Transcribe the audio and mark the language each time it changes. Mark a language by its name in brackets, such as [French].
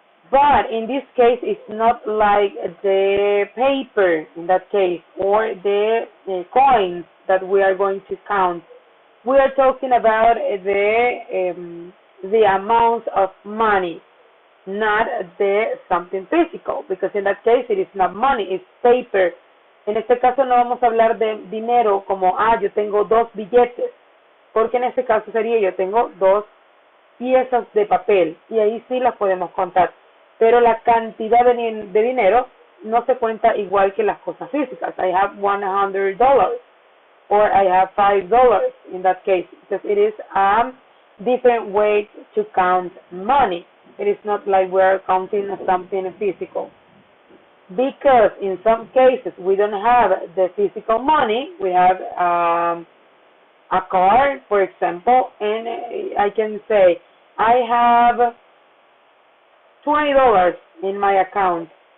[English] But in this case, it's not like the paper, in that case, or the coins that we are going to count. We are talking about the amount of money, not the something physical, because in that case it is not money, it's paper. [Spanish] En este caso no vamos a hablar de dinero como, ah, yo tengo dos billetes, porque en este caso sería yo tengo dos piezas de papel, y ahí sí las podemos contar. Pero la cantidad de dinero no se cuenta igual que las cosas físicas. [English] I have $100. Or I have $5 in that case, because it is a different way to count money. It is not like we are counting something physical. Because in some cases we don't have the physical money, we have a car, for example, and I can say, I have $20 in my account.